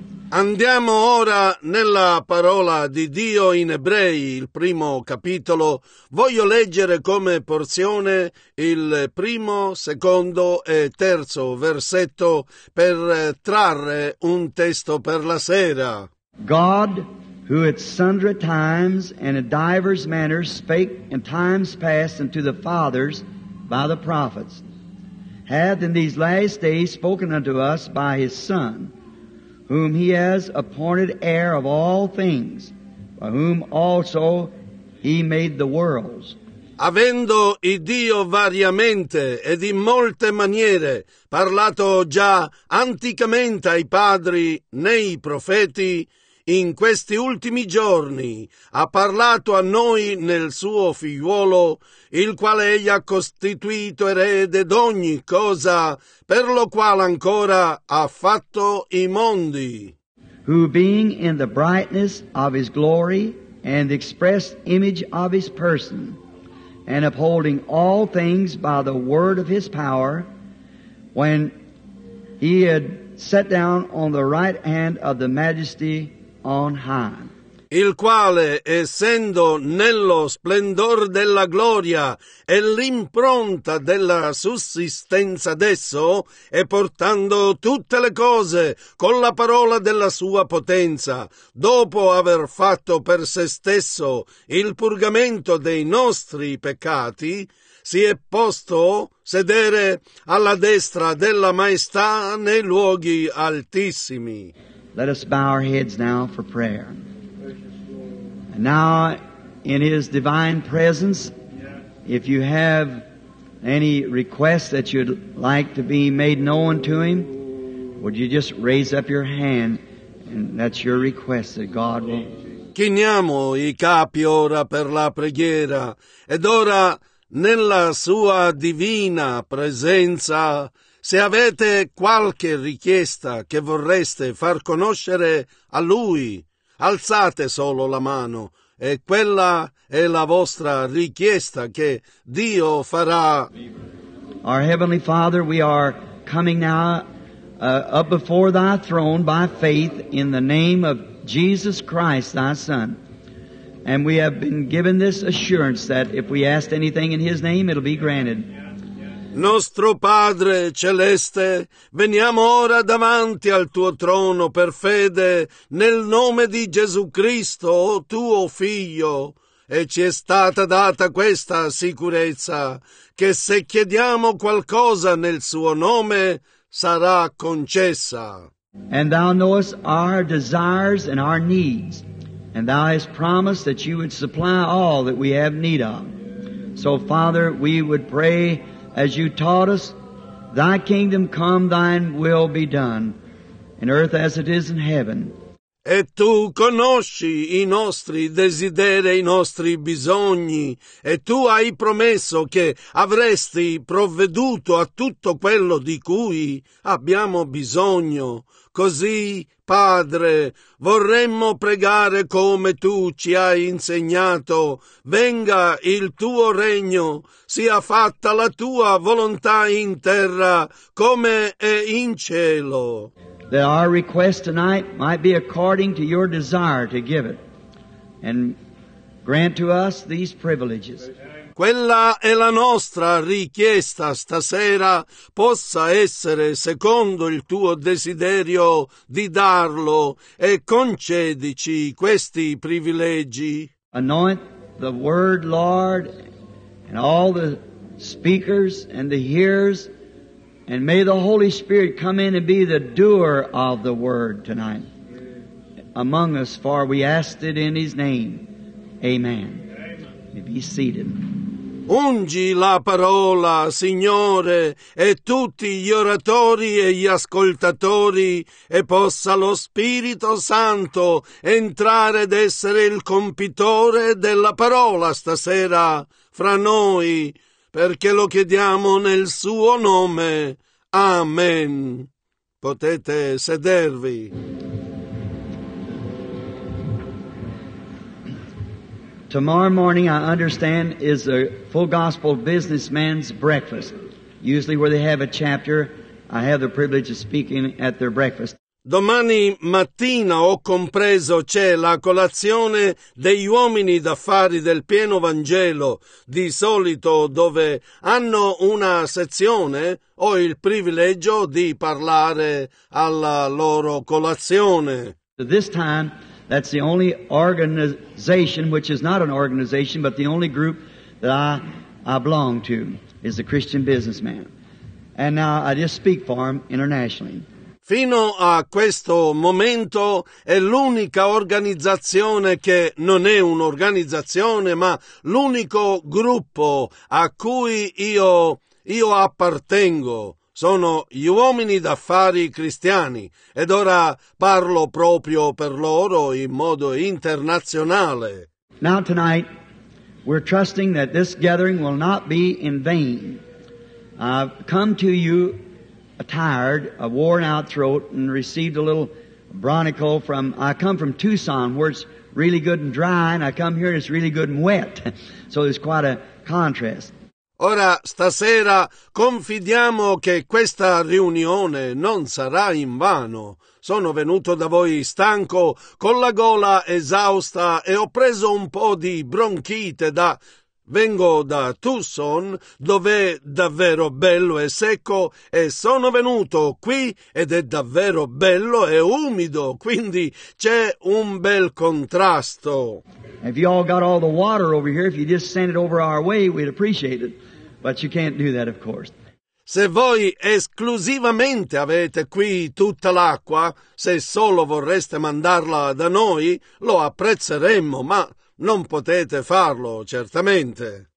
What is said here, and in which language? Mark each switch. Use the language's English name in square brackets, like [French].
[Italian] Andiamo ora nella parola di Dio in Ebrei, il primo capitolo. Voglio leggere come porzione il primo, secondo e terzo versetto per trarre un testo per la sera. [English] God, who at sundry times and in divers manners spake in times past unto the fathers by the prophets, hath in these last days spoken unto us by his Son, whom he has appointed heir of all things, by whom also he made the worlds. [Italian] Avendo Iddio variamente ed in molte maniere parlato già anticamente ai padri nei profeti, in questi ultimi giorni ha parlato a noi nel suo figliuolo, il quale egli ha costituito erede d'ogni cosa, per lo quale ancora ha fatto i mondi. [English] Who being in the brightness of his glory and express image of his person, and upholding all things by the word of his power, when he had sat down on the right hand of the majesty on high. [Italian] Il quale, essendo nello splendor della gloria e l'impronta della sussistenza d'esso, e portando tutte le cose con la parola della sua potenza, dopo aver fatto per se stesso il purgamento dei nostri peccati, si è posto sedere alla destra della maestà nei luoghi altissimi. [English] Let us bow our heads now for prayer. And now, in His divine presence, if you have any requests that you'd like to be made known to Him, would you just raise up your hand, and that's your request that God will. [Italian] Chiniamo i capi ora per la preghiera, ed ora nella Sua divina presenza. Se avete qualche richiesta che vorreste far conoscere a Lui, alzate solo la mano, e quella è la vostra richiesta che Dio farà. [English] Our Heavenly Father, we are coming now up before Thy throne by faith in the name of Jesus Christ, Thy Son. And we have been given this assurance that if we ask anything in His name, it'll be granted. [Italian] Nostro Padre Celeste, veniamo ora davanti al Tuo trono per fede nel nome di Gesù Cristo, Tuo Figlio, e ci è stata data questa sicurezza che se chiediamo qualcosa nel Suo nome sarà concessa. [English] And Thou knowest our desires and our needs, and Thou hast promised that You would supply all that we have need of. So, Father, we would pray as You taught us, Thy kingdom come, Thine will be done, in earth as it is in heaven. [Italian] E tu conosci i nostri desideri e i nostri bisogni, e tu hai promesso che avresti provveduto a tutto quello di cui abbiamo bisogno. Così, Padre, vorremmo pregare come tu ci hai insegnato. Venga il tuo regno, sia fatta la tua volontà in terra come è in cielo. [English] That our request tonight might be according to your desire to give it and grant to us these privileges. [Italian] Quella è la nostra richiesta stasera, possa essere secondo il tuo desiderio di darlo e concedici questi privilegi. [English] Anoint the word, Lord, and all the speakers and the hearers, and may the Holy Spirit come in and be the doer of the word tonight among us, for we ask it in His name. Amen. You be seated. [Italian] Ungi la parola, Signore, e tutti gli oratori e gli ascoltatori, e possa lo Spirito Santo entrare ed essere il compitore della parola stasera fra noi, perché lo chiediamo nel Suo nome. Amen. Potete sedervi. [English] Tomorrow morning, I understand, is a full gospel businessman's breakfast. Usually where they have a chapter, I have the privilege of speaking at their breakfast. [Italian] Domani mattina, ho compreso, c'è la colazione degli uomini d'affari del pieno Vangelo. Di solito, dove hanno una sezione, ho il privilegio di parlare alla loro colazione. [English] This time, that's the only organization, which is not an organization, but the only group that I belong to, is the Christian Businessman. And now I just speak for them internationally. [Italian] Fino a questo momento è l'unica organizzazione che non è un'organizzazione, ma l'unico gruppo a cui io appartengo. Sono gli uomini d'affari cristiani, ed ora parlo proprio per loro in modo internazionale. [English] Now tonight we're trusting that this gathering will not be in vain. I've come to you a tired, a worn out throat, and received a little bronchial from, I come from Tucson where it's really good and dry, and I come here and it's really good and wet. So there's quite a contrast. [Italian] Ora stasera confidiamo che questa riunione non sarà invano. Sono venuto da voi stanco, con la gola esausta e ho preso un po' di bronchite da... Vengo da Tucson, dove è davvero bello e secco, e sono venuto qui ed è davvero bello e umido, quindi c'è un bel contrasto. [English] If you all got all the water over here, if you just send it over our way, we'd appreciate it. But you can't do that, of course. [Italian] Se voi esclusivamente avete qui tutta l'acqua, se solo vorreste mandarla da noi, lo apprezzeremmo, ma non potete farlo, certamente.